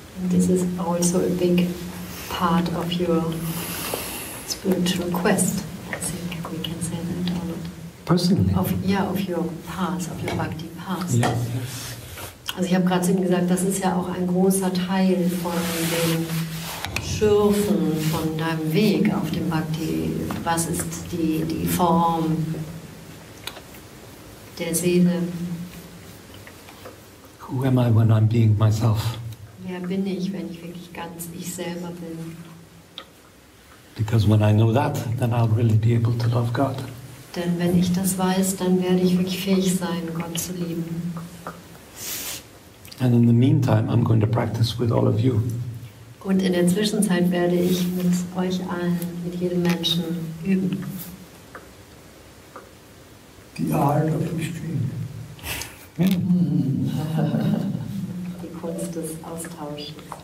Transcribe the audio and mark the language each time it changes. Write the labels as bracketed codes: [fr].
[en] This is also a big part of your spiritual quest. I think we can say that a lot. Personally? Of your path, of your bhakti path. Yeah. [de] Also ich habe gerade eben gesagt, das ist ja auch ein großer Teil von dem Schürfen von deinem Weg auf dem Bhakti. Was ist die Form der Seele? [en] Who am I when I'm being myself? [de] Wer bin ich, wenn ich wirklich ganz ich selber bin? [en] Because when I know that, then I'll really be able to love God. [de] Denn wenn ich das weiß, dann werde ich wirklich fähig sein, Gott zu lieben. [en] And in the meantime, I'm going to practice with all of you. [de] Und in der Zwischenzeit werde ich mit euch allen, mit jedem Menschen üben. [en] The art of restraint. [de] Die Kunst des Austauschens.